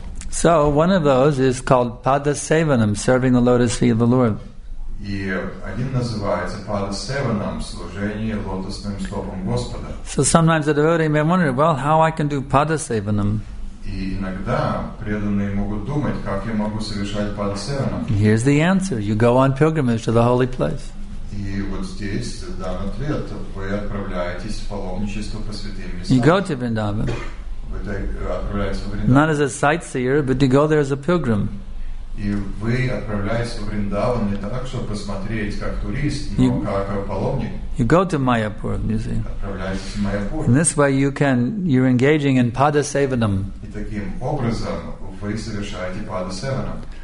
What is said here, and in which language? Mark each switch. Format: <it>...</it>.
<en>So one of those is called Pada Sevanam, serving the lotus feet of the Lord.</en> <ru>И один называется падасеванам, служение лотосным стопам Господа.</ru> <en>So sometimes the devotee may wonder, well, how I can do падасеванам?</en> <ru>И иногда преданные могут думать, как я могу совершать падасеванам?</ru> <en>Here's the answer. You go on pilgrimage to the holy place.</en> <ru>И вот здесь дан ответ. Вы отправляетесь в паломничество по святым местам.</ru> <en>You go to Vrindavan. Not as a sightseer, but to go there as a pilgrim.</en> <ru>И вы отправляетесь в Вриндаван не так, чтобы посмотреть как турист, но как паломник.</ru> <en>You go to Mayapur, you see.</en> <ru>Отправляетесь в Майяпур.</ru> <en>In this way you're engaging in Padasevanam.</en> <ru>И таким образом вы совершаете Padasevanam.</ru>